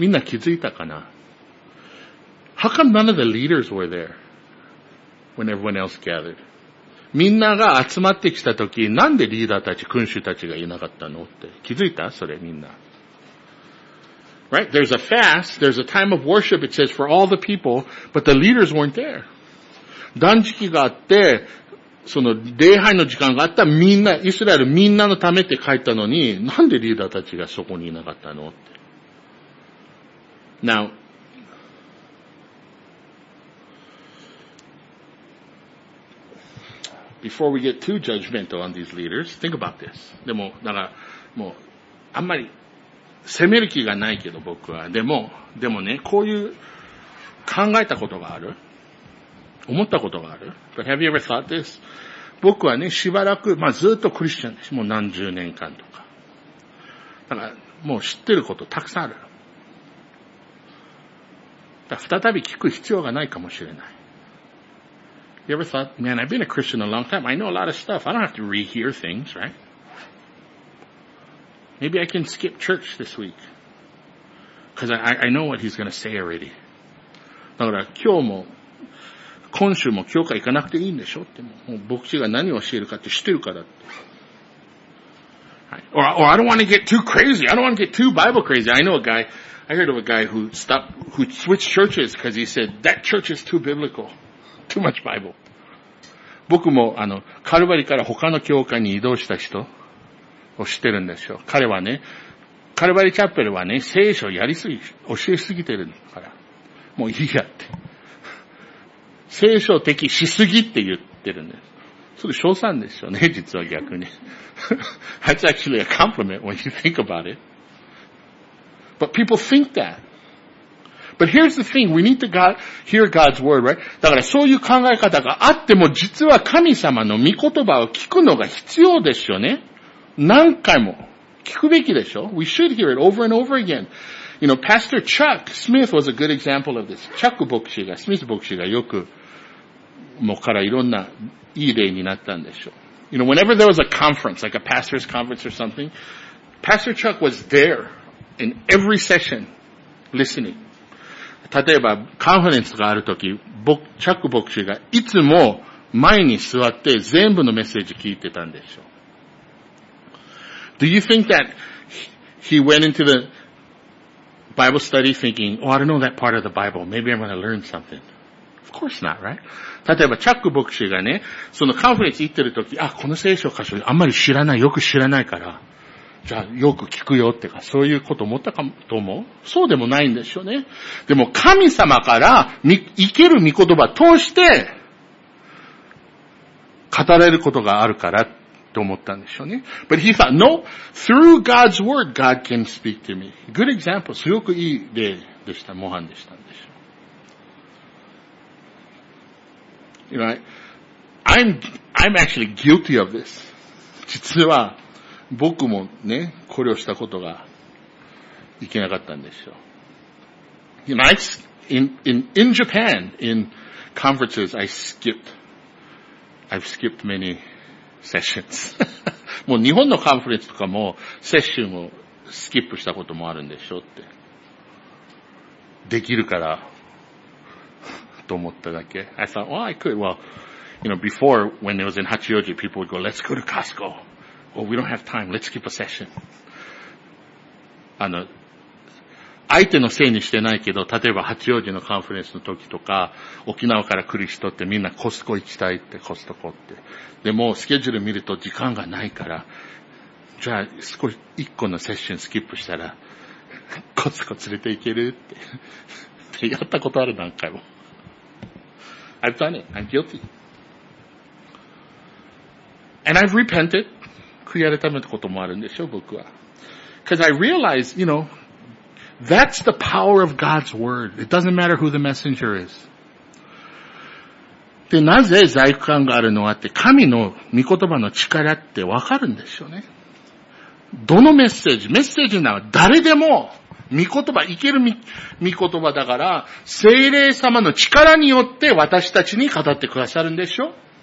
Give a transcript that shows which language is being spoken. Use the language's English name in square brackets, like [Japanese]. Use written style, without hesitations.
[Japanese] みんな気づいたかな [English] ?How come none of the leaders were there when everyone else gathered? [Japanese] みんなが集まってきた時、なんでリーダーたち、君主たちがいなかったのって。気づいた？それみんな。 [English] Right, there's a fast, there's a time of worship, it says, for all the people, but the leaders weren't there. [Japanese] 断食があって、その礼拝の時間があったみんな、イスラエルみんなのためって書いたのに、なんでリーダーたちがそこにいなかったのって。 [English] Now, before we get too judgmental on these leaders, think about this. [Japanese] でも、だから、もう、あんまり、責める気がないけど僕は。でもね、こういう考えたことがある。思ったことがある。 [English] But have you ever thought this? [Japanese] 僕はね、しばらく、まあずっとクリスチャンです。もう何十年間とか。だから、もう知ってることたくさんある。だから再び聞く必要がないかもしれない。 [English] You ever thought, man, I've been a Christian a long time. I know a lot of stuff. I don't have to rehear things, right? Maybe I can skip church this week. Cause I know what he's gonna say already. [Japanese] だから今日も、今週も教会行かなくていいんでしょって。もう牧師が何を教えるかって知ってるからって。 [English] Right. Or I don't want to get too crazy. I don't want to get too Bible crazy. I know a guy, I heard of a guy who switched churches because he said, that church is too biblical. Too much Bible. [Japanese] 僕もカルバリから他の教会に移動した人。を知ってるんですよ。彼はね、カルバリチャペルはね、聖書やりすぎ、教えすぎてるから。もういいやって。聖書的しすぎって言ってるんです。それ称賛ですよね、実は逆に。 [English] That's actually a compliment when you think about it. But people think that. But here's the thing, we need to hear God's word, right? [Japanese] だからそういう考え方があっても、実は神様の御言葉を聞くのが必要ですよね。何回も聞くべきでしょ [English] ?We should hear it over and over again. You know, Pastor Chuck Smith was a good example of this. [Japanese] Chuck 牧師が、Smith 牧師がよく、もからいろんないい例になったんでしょ [English] You know, whenever there was a conference, like a pastor's conference or something, Pastor Chuck was there in every session, listening. [Japanese] 例えば、カンファレンスがあるとき、Chuck 牧師がいつも前に座って全部のメッセージ聞いてたんでしょ [English] Do you think that he went into the Bible study thinking, oh, I don't know that part of the Bible. Maybe I'm going to learn something. Of course not, right? [Japanese] 例えば、チャック牧師がね、そのカンフレンス行ってるとき、あ、この聖書箇所あんまり知らない、よく知らないから、じゃあよく聞くよってか、そういうこと思ったかと思う？そうでもないんでしょうね。でも、神様から生ける御言葉通して、語られることがあるから、と思ったんでしょうね。 [English] But he thought, no, through God's word, God can speak to me. Good example. [Japanese] すごくいい例でした。模範でしたんでしょう。 [English] You know, I'm actually guilty of this. [Japanese] 実は、僕もね、これをしたことがいけなかったんでしょう。 [English] You know, in Japan, in conferences, I've skipped many sessions. [Japanese] もう日本のカンフレンスとかもセッションをスキップしたこともあるんでしょうって。できるからと思っただけ。 [English] I thought, well, I could. Well, you know, before, when it was in Hachioji, people would go, let's go to Costco. Well, we don't have time. Let's skip a session. [Japanese] 相手のせいにしてないけど、例えば八王子のカンフレンスの時とか、沖縄から来る人ってみんなコスコ行きたいって、コストコって。でもスケジュール見ると時間がないから、じゃあ少し一個のセッションスキップしたら、コスコ連れて行けるって。ってやったことある何回も。 [English] I've done it. I'm guilty. And I've repented. [Japanese] 悔い改めたこともあるんでしょ、僕は。 [English] Because I realize, you know,That's the power of God's word. It doesn't matter who the messenger is. [Japanese] で、なぜ罪悪感があるのかって、神の御言葉の力ってわかるんでしょうね。どのメッセージ、メッセージなら誰でも御言葉、生ける御言葉だから、聖霊様の力によって私たちに語ってくださるんでしょう。